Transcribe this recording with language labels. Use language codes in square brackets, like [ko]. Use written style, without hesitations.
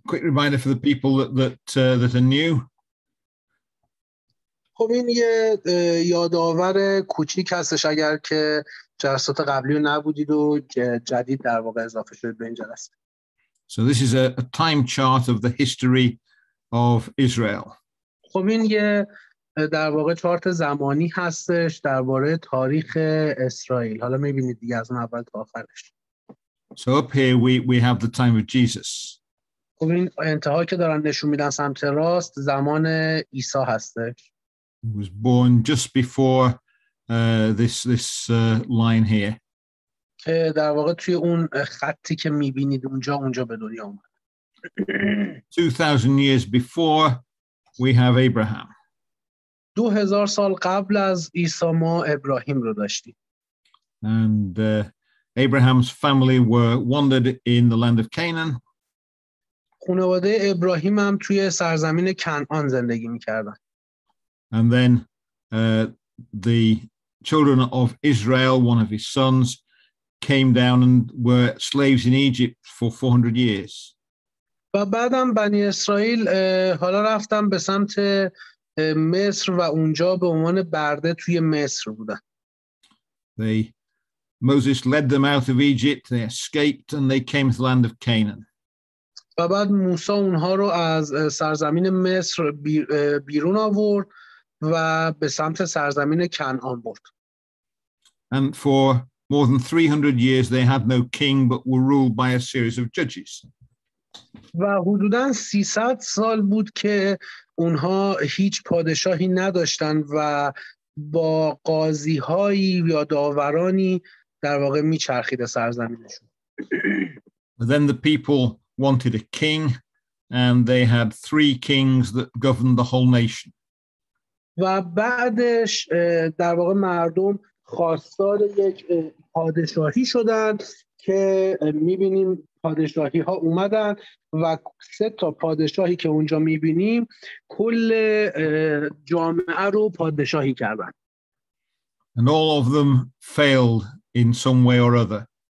[en] Quick reminder for the people that are new. [fa] خب این یه یادآور کوچیک هستش اگر که جلسات قبلی رو نبودید و جدید در واقع اضافه شده به این جلسه. [en] So this is a time chart of the history of Israel. [fa] خب این یه در واقع چارت زمانی هستش درباره تاریخ اسرائیل. حالا می‌بینید دیگه از اون اول تا آخرش. [en] So up here we have the time of Jesus. [fa] خب این انتهایی که دارن نشون میدن سمت راست زمان عیسی هستش. [en] He was born just before this line here. [fa] که در واقع توی اون خطی که می‌بینید اونجا به دنیا اومد. [en] 2000 years before we have Abraham. [fa] 2000 سال قبل از عیسی ما ابراهیم رو داشتیم. [en] And Abraham's family were wandered in the land of Canaan. [fa] خانواده ابراهیم هم توی سرزمین کنعان زندگی می‌کردن. [en] And then the children of Israel, one of his sons, came down and were slaves in Egypt for 400 years. [fa] و بعدم بنی اسرائیل حالا رفتن به سمت مصر و اونجا به عنوان برده توی مصر بودن. [en] Moses led them out of Egypt, they escaped and they came to the land of Canaan. [fa] و بعد موسی اونها رو از سرزمین مصر بیرون آورد و به سمت سرزمین کنعان برد. [en] And for more than 300 years they had no king but were ruled by a series of judges. [fa] و حدوداً 300 سال بود که اونها هیچ پادشاهی نداشتن و با قاضی‌های یا داورانی در واقع می‌چرخید سرزمینشون. [en] But then the people wanted a king and they had three kings that governed the whole nation. [fa] و بعدش در واقع مردم خواستار یک پادشاهی شدن که میبینیم پادشاهی ها اومدن و سه تا پادشاهی که اونجا میبینیم کل جامعه رو پادشاهی کردن. [en] And all of them failed in some way or other.